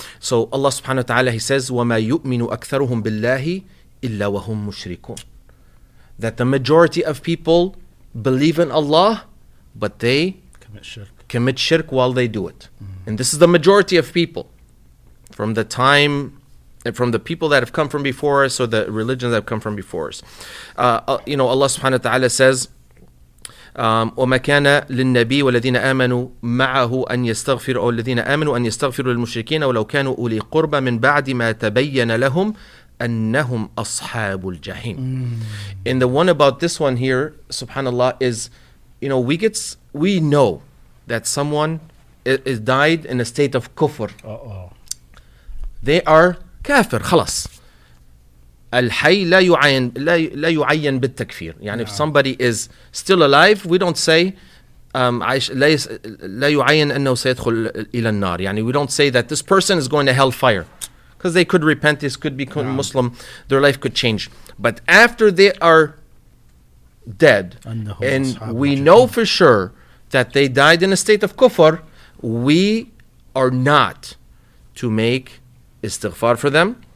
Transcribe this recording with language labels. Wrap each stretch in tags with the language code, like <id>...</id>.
<en>So Allah subhanahu wa ta'ala, he says,</en> <ar>وَمَا يُؤْمِنُ أَكْثَرُهُمْ بِاللَّهِ إِلَّا وَهُمْ مُشْرِكُونَ,</ar> <en>that the majority of people believe in Allah, but they commit shirk while they do it. And this is the majority of people from the time, from the people that have come from before us, or the religions that have come from before us. You know, Allah subhanahu wa ta'ala says,</en> <ar>وَمَا كَانَ لِلنَّبِيِّ وَالَّذِينَ آمَنُوا مَعَهُ أَنْ يَسْتَغْفِرُوا أَوْ الَّذِينَ آمَنُوا أَنْ يَسْتَغْفِرُوا لِلْمُشْرِكِينَ وَلَوْ كَانُوا أُولِي قُرْبَى مِنْ بَعْدِ مَا تَبَيَّنَ لَهُمْ أَنَّهُمْ أَصْحَابُ الْجَحِيمِ.</ar> <en>And the one about this one here, subhanAllah, is, you know, we know that someone is died in a state of kufr. They are kafir, khalas.</en> <ar>الحي لا يعين لا يعين بالتكفير.</ar> <en>يعني if somebody is still alive, we don't say</en> <ar>لا يعين أنه سيدخل إلى النار.</ar> <en>يعني we don't say that this person is going to hellfire, because they could repent, this could become Muslim, their life could change. But after they are dead, and we know for sure that they died in a state of kufr, we are not to make istighfar for them.</en>